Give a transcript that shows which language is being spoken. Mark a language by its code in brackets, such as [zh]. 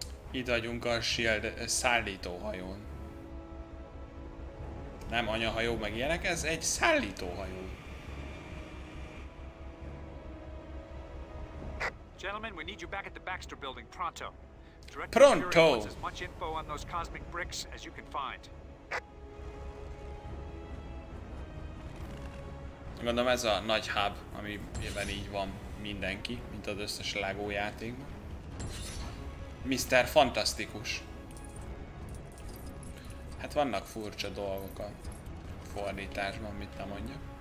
[hu] Itt vagyunk a Shield szállítóhajón. Nem anyahajó meg ilyenek, ez egy szállítóhajó. [en] Gentlemen, we need you back at the Baxter building, pronto. Direct pronto! As much info on those cosmic bricks as you can find. [hu] Gondolom ez a nagy hub, amiben így van mindenki, mint az összes LEGO játékban. Mr. Fantasztikus. Hát vannak furcsa dolgok a fordításban, mit nem mondjak.